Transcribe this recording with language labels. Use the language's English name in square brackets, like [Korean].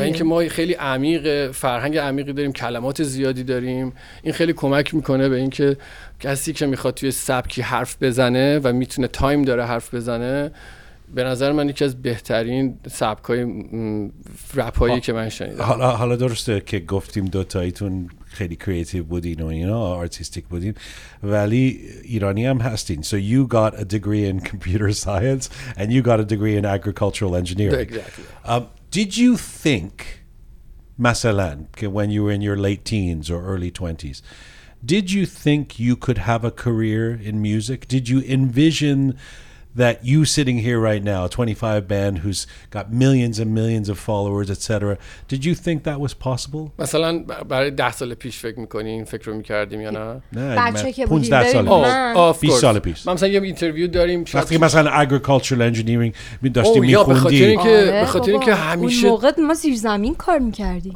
[Persian] و اینکه ما خیلی عمیق، فرهنگ عمیقی داریم، کلمات زیادی داریم، این خیلی کمک میکنه به اینکه کسی که میخواد توی سبکی حرف بزنه و میتونه تایم داره حرف بزنه، به نظر من یکی از بهترین سبکای رپ هایی که من شنیدم. حالا درسته که گفتیم دو تایتون خیلی کریتیو بودین و اینا، آرتستیک بودین، ولی ایرانی هم هستین. [English] So you got a degree in computer science and you got a degree in agricultural engineering. Exactly. Did you think مثلا که when you were in your late teens or early 20s, did you think you could have a career in music? Did you envision that you sitting here right now, 25 band who's got millions and millions of followers, etc. Did you think that was possible? [Persian] مثلا برای 10 سال پیش فکر می‌کنی این فکر رو می‌کردیم یا نه؟ نه، بچه‌ که بودیم. من مثلا یه اینترویو داریم، وقتی مثلا [English] agricultural engineering [Persian] می‌داشتیم می‌خوندیم. به خاطر اینکه همیشه اون موقع ما زیر زمین کار می‌کردیم.